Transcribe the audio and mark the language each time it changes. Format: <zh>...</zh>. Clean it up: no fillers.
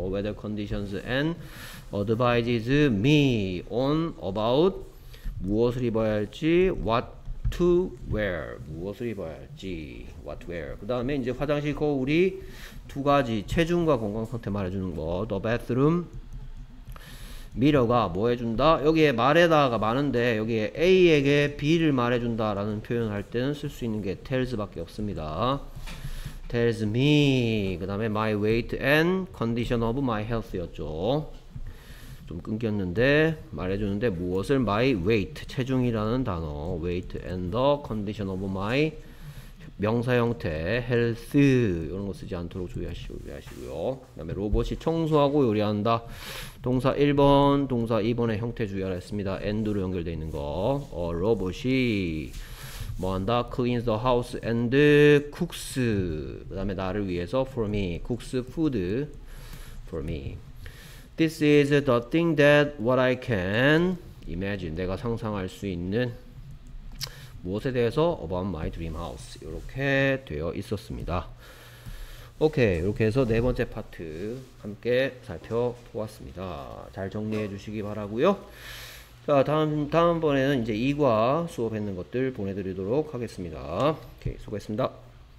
<en>weather conditions and advises me on about</en> <ko>무엇을 입어야 할지,</ko> <en>what to wear.</en> <ko>무엇을 입어야 할지,</ko> <en>what to wear.</en> <ko>그 다음에 이제 화장실 거울이 두 가지, 체중과 건강 상태 말해주는 거.</ko> <en>The bathroom mirror</en> <ko>가 뭐 해준다? 여기에 말에다가 많은데, 여기에 A에게 B를 말해준다라는 표현을 할 때는 쓸수 있는 게 tells밖에 없습니다.</ko> <en>tells me.</en> <ko>그 다음에</ko> <en>my weight and condition of my health였죠.</en> <ko>좀 끊겼는데 말해주는데 무엇을</ko> <en>my weight</en> <ko>체중이라는 단어</ko> <en>weight and the condition of my</en> <ko>명사 형태 health 이런 거 쓰지 않도록 주의하시고요. 그다음에 로봇이 청소하고 요리한다. 동사 1번 동사 2번의 형태 주의하겠습니다. and로 연결되어 있는 거. A 로봇이 뭐한다?</ko> <en>cleans the house and cooks.</en> <ko>그다음에 나를 위해서</ko> <en>for me cooks food for me. This is the thing that what I can imagine.</en> <ko>내가 상상할 수 있는 무엇에 대해서</ko> <en>about my dream house.</en> <ko>이렇게 되어 있었습니다. 오케이. 이렇게 해서 네 번째 파트 함께 살펴보았습니다. 잘 정리해 주시기 바라고요. 자, 다음번에는 이제 2과 수업했는 것들 보내드리도록 하겠습니다. 오케이. 수고했습니다.</ko>